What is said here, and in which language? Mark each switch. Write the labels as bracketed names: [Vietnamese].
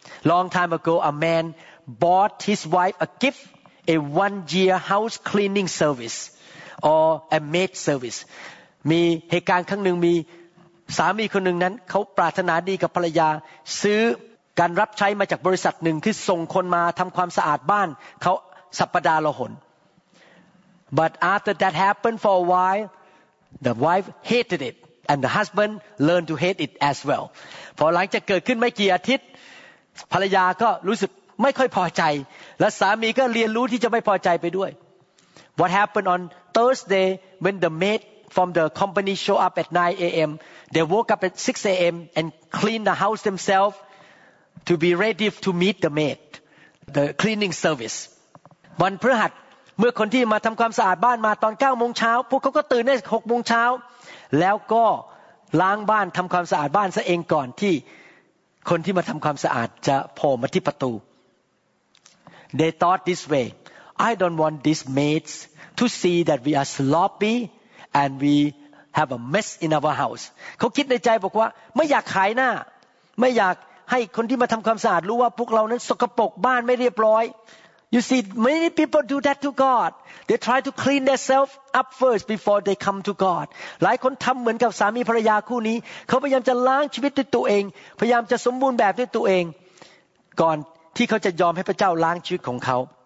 [English] long time ago a man bought his wife a gift a 1 year house cleaning service or a maid service [Thai] มีเหตุการณ์ครั้งหนึ่งมีสามีคนหนึ่งนั้นเขาปรารถนาดีกับภรรยาซื้อการรับใช้มาจากบริษัทหนึ่งคือส่งคนมาทำความสะอาดบ้านเขาสัปดาห์ละหน [English] But after that happened for a while, the wife hated it, and the husband learned to hate it as well. [Thai] พอหลังจากเกิดขึ้นไม่กี่อาทิตย์ภรรยาก็รู้สึกไม่ค่อยพอใจและสามีก็เรียนรู้ที่จะไม่พอใจไปด้วย [English] What happened on Thursday when the maid from the company show up at 9 a.m. They woke up at 6 a.m. and cleaned the house themselvesTo be ready to meet the maid, the cleaning service. [Thai] วันพฤหัสเมื่อคนที่มาทำความสะอาดบ้านมาตอน9โมงเช้าพวกเขาก็ตื่นได้6โมงเช้าแล้วก็ล้างบ้านทำความสะอาดบ้านซะเองก่อนที่คนที่มาทำความสะอาดจะโผล่มาที่ประตู [English] They thought this way. I don't want these maids to see that we are sloppy and we have a mess in our house. [Thai] เขาคิดในใจบอกว่าไม่อยากขายหน้าไม่อยากให้คนที่มาทำความสะอาดรู้ว่าพวกเรานั้นสกปรกบ้านไม่เรียบร้อย [English] You see many people do that to God [Thai] they try to clean themselves up first before they come to God หลายคนทำเหมือนกับสามีภรรยาคู่นี้เขาพยายามจะล้างชีวิตด้วยตัวเองพยายามจะสมบูรณ์แบบด้วยตัวเองก่อนที่เขาจะยอมให้พระเจ้าล้างชีวิตของเขา